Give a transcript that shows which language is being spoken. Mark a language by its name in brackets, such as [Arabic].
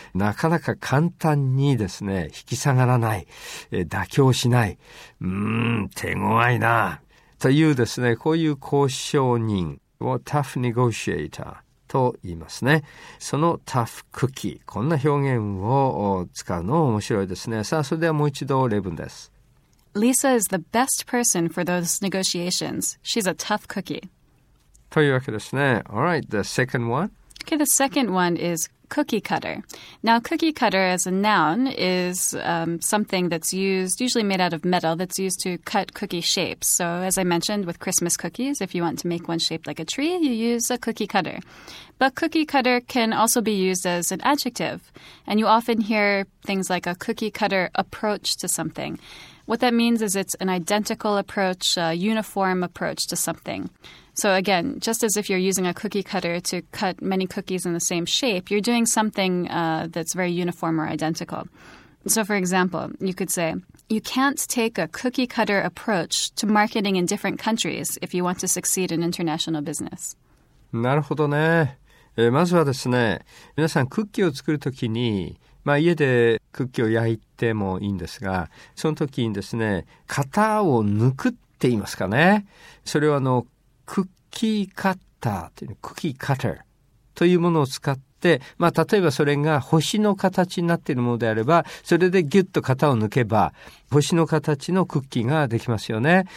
[Japanese] なかなか簡単にですね、引き下がらない、妥協しない、手ごわいなというですね、こういう交渉人をタフネゴシエーターと言いますね。そのタフクッキー、こんな表現を使うの面白いですね。さあ、それではもう一度例文です。 [English] Lisa is the best person for those negotiations. She's a tough cookie [Japanese] というわけですね。 [English] All right, the second one. Okay, the second one is cookie cutter. Now, cookie cutter as a noun is something that's used, usually made out of metal, that's used to cut cookie shapes. So as I mentioned with Christmas cookies, if you want to make one shaped like a tree, you use a cookie cutter. But cookie cutter can also be used as an adjective. And you often hear things like a cookie cutter approach to something. What that means is it's an identical approach, a uniform approach to something. So again, just as if you're using a cookie cutter to cut many cookies in the same shape, you're doing something that's very uniform or identical. So for example, you could say, you can't take a cookie cutter approach to marketing in different countries if you want to succeed in international business. [Japanese] なるほどね。まずはですね、皆さんクッキーを作るときに、まあ、家でクッキーを焼いてもいいんですが、その時にですね、型を抜くって言いますかね。それはクッキーカッターというクッキーカッターというものを使って、まあ、例えばそれが星の形になっているものであれば、それでギュッと型を抜けば、星の形のクッキーができますよね。